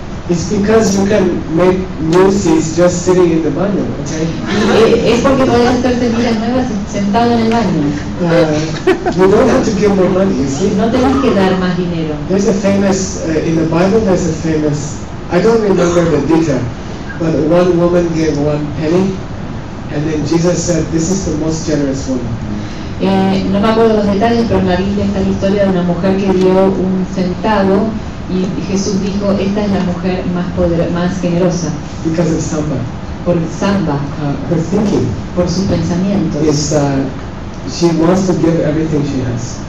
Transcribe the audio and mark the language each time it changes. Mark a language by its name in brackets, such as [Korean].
[English] It's because you can make new seats just sitting in the baño, okay? [Spanish] Es porque puedes hacer semillas nuevas sentado en el baño. [English] You don't have to give more money, you see? [Spanish] No tienes que dar más dinero. [English] There's a famous, in the Bible there's a famous, I don't remember the detail, but one woman gave one penny, and then Jesus said, this is the most generous woman. [Spanish] No me acuerdo los detalles, pero en la Biblia está la historia de una mujer que dio un centavo, y Jesús dijo, esta es la mujer más poderosa, más generosa. [English] Because of Samba. [Spanish] Por Samba. [English] Her thinking. [Spanish] Por sus pensamientos. [English] Is, she wants to give everything she has.